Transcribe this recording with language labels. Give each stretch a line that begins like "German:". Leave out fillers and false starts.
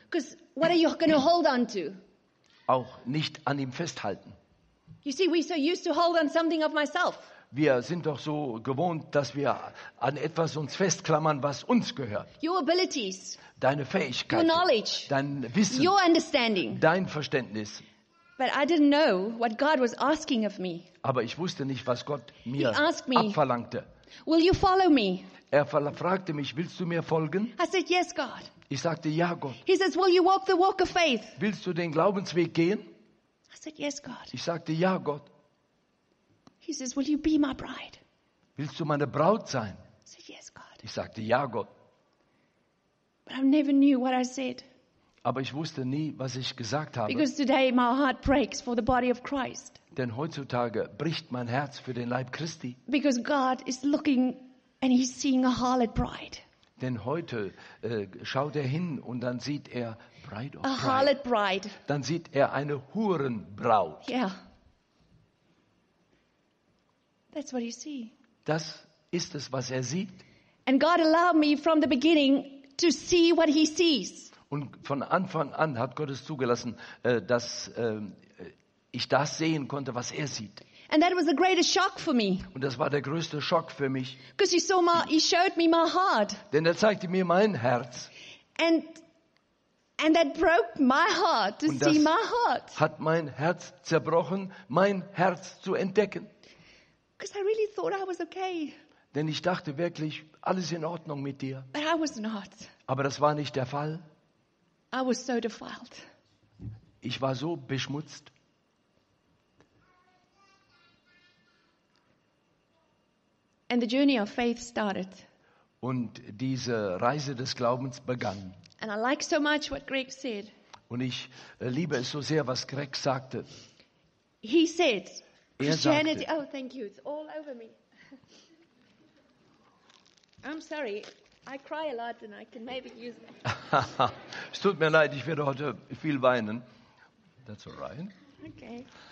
English: Because what are you going to hold on to?
German: Auch nicht an ihm festhalten.
English: You see, we're so used to hold on something of myself.
German: Wir sind doch so gewohnt, dass wir an etwas uns festklammern, was uns gehört.
English: Your abilities,
German: deine Fähigkeiten,
English: your knowledge,
German: dein Wissen,
English: your understanding,
German: dein Verständnis.
English: But I didn't know what God was asking of me.
German: Aber ich wusste nicht, was Gott mir abverlangte.
English: Will you follow me?
German: Er fragte mich, willst du mir folgen?
English: I said, yes, God.
German: Ich sagte, ja, Gott.
English: He says, will you walk the walk of faith?
German: Willst du den Glaubensweg gehen?
English: I said, yes, God.
German: Ich sagte, ja, Gott.
English: He says, will you be my bride?
German: Willst du meine Braut sein?
English: I said, yes, God.
German: Ich sagte, ja, Gott.
English: But I never knew what I said.
German: Aber ich wusste nie, was ich gesagt habe.
English: Because today my heart breaks for the body of Christ.
German: Denn heutzutage bricht mein Herz für den Leib Christi.
English: Because God is looking and he's seeing a harlot bride.
German: Denn heute schaut er hin und dann sieht er
English: Bride of a Bride. A harlot bride.
German: Dann sieht er eine Hurenbraut.
English: Yeah. That's what you see.
German: Das ist es, was er sieht.
English: And God allowed me from the beginning to see what he sees.
German: Und von Anfang an hat Gott es zugelassen, dass ich das sehen konnte, was er sieht.
English: And that was the greatest shock for me.
German: Und das war der größte Schock für mich.
English: Because he saw my, he showed me my heart.
German: Denn er zeigte mir mein Herz.
English: And that broke my heart to see my heart.
German: Hat mein Herz zerbrochen, mein Herz zu entdecken.
English: Because I really thought I was okay.
German: Denn ich dachte wirklich, alles in Ordnung mit dir.
English: But I was not.
German: Aber das war nicht der Fall.
English: I was so defiled.
German: Ich war so beschmutzt.
English: And the journey of faith started.
German: Und diese Reise des Glaubens begann.
English: And I like so much what Greg said.
German: Und ich liebe es so sehr, was Greg sagte.
English: He said,
German: er
English: Christianity,
German: sagte,
English: oh, thank you, it's all over me. I'm sorry. I cry a lot and I can maybe use that.
German: Es tut mir leid, ich werde heute viel weinen.
English: That's all right.
German: Okay.